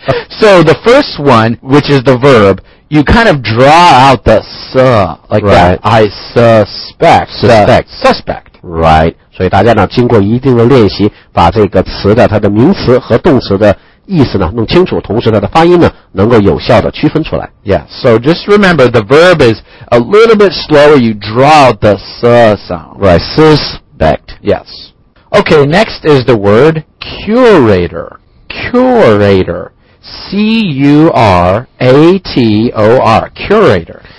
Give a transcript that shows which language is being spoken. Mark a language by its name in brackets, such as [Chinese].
[English] So the first one, which is the verb, you kind of draw out the like right. that. I suspect. Suspect. Suspect. Right. [Chinese] 所以大家呢经过一定的练习把这个词的它的名词和动词的意思呢弄清楚同时它的发音呢能够有效的区分出来。 [English] Yeah. So just remember the verb is a little bit slower. You draw out the sound. Right. Suspect. Yes. Okay. Next is the word curator. Curator. C-U-R-A-T-O-R, curator.